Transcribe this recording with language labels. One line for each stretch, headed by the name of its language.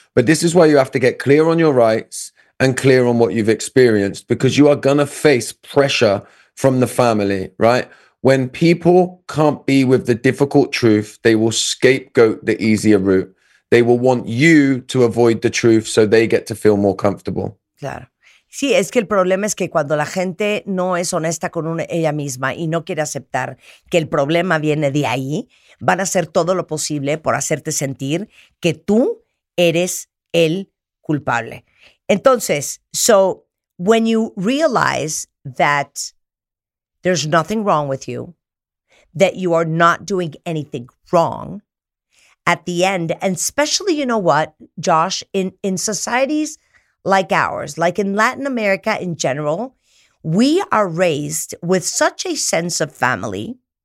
English: But this is why you have to get clear on your rights and clear on what you've experienced, because you are going to face pressure from the family, right? When people can't be with the difficult truth, they will scapegoat the easier route. They will want you to avoid the truth so they get to feel more comfortable.
Spanish: Claro. Sí, es que el problema es que cuando la gente no es honesta con ella misma y no quiere aceptar que el problema viene de ahí, van a hacer todo lo posible por hacerte sentir que tú eres el culpable. Entonces,
English: so when you realize that there's nothing wrong with you, that you are not doing anything wrong at the end, and especially, you know what, Josh, in societies like ours, like in Latin America in general, we are raised with such a sense of family